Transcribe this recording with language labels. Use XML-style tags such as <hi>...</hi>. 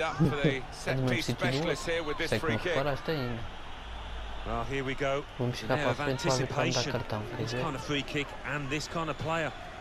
<en>up for the set piece specialist here with this free kick.</en> <pt>Paraste ainda.</pt> <en>Well, here we go.</en> <pt>Vamos chegar para a frente, vamos para dar cartão.</pt> <en>This kind of free kick and this kind of player.</en>